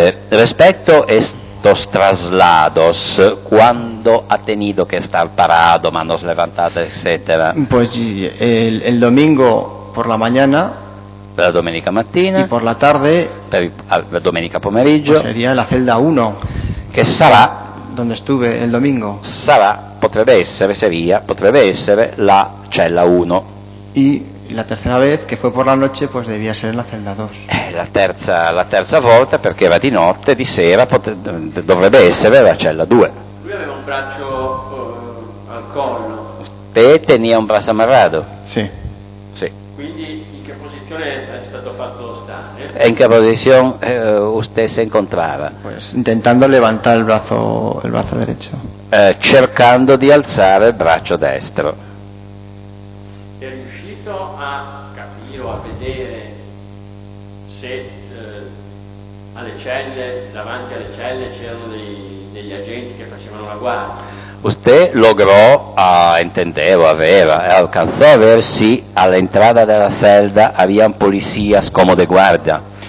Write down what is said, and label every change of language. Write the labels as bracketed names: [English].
[Spanish] respecto a estos traslados, ¿cuándo ha tenido que estar parado, manos levantadas, etcétera? Pues el domingo por la mañana. [Italian] La domenica mattina. [Spanish] Y por la tarde. [Italian] La domenica pomeriggio. [Spanish] Pues sería la celda 1. Que será. Donde estuve el domingo. Será, [Italian] potrebbe essere, [Spanish] sería, [Italian] potrebbe essere la cella 1. [Spanish] Y la tercera vez, que fue por la noche, pues debía ser en la celda 2. [Italian] La terza volta, perché era di notte, di sera, dovrebbe essere la cella 2. Lui aveva un braccio al collo. [Spanish] Te tenía un brazo amarrado. [Italian] Sì. Sì. Quindi in che posizione? [Spanish] posición ha estado fatto [Italian] stare? [Spanish] ¿En qué posición usted se encontraba? Pues intentando levantar el brazo derecho. [Italian] Cercando di alzare il braccio destro. È riuscito a capire o a vedere se alle celle, davanti alle celle c'erano degli agenti che facevano la guardia? [Spanish] Usted logró, entendeu, [Italian] aveva, [Spanish] alcanzó a ver si a la entrada de la celda habían policías como de guardia.